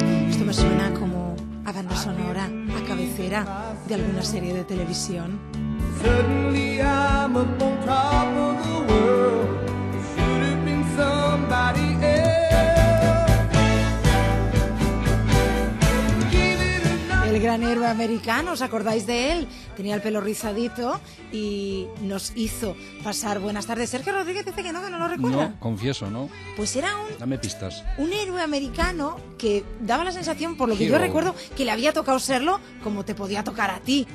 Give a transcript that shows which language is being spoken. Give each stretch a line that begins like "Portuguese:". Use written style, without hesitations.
Spanish: Esto me suena como a banda sonora, a cabecera de alguna serie de televisión.
English: Suddenly I'm up on top of the world. Should have been somebody else.
Spanish: El gran héroe americano, ¿os acordáis de él? Tenía el pelo rizadito y nos hizo pasar buenas tardes. Sergio Rodríguez dice que no lo recuerda. No, confieso, ¿no? Pues era un... Dame pistas. Un héroe americano que daba la sensación, por lo que yo recuerdo, que le había tocado serlo como te podía tocar a ti.